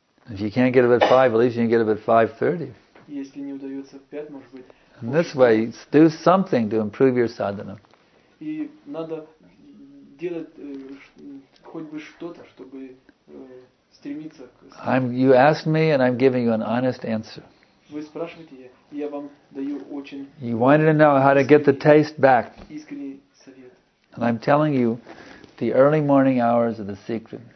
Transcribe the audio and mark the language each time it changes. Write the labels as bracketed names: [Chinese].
[English] If you can't get up at 5, at least you can get up at 5:30. [Russian] Если не удается в 5, может быть. [English] In this way, do something to improve your sadhana. [Russian] И надо делать хоть бы что-то, чтобы стремиться к. [English] You ask me, and I'm giving you an honest answer. [Russian] Вы спрашиваете, я вам даю очень. [English] You wanted to know how to get the taste back. [Russian] Искренний совет. [English] And I'm telling you, the early morning hours are the secret.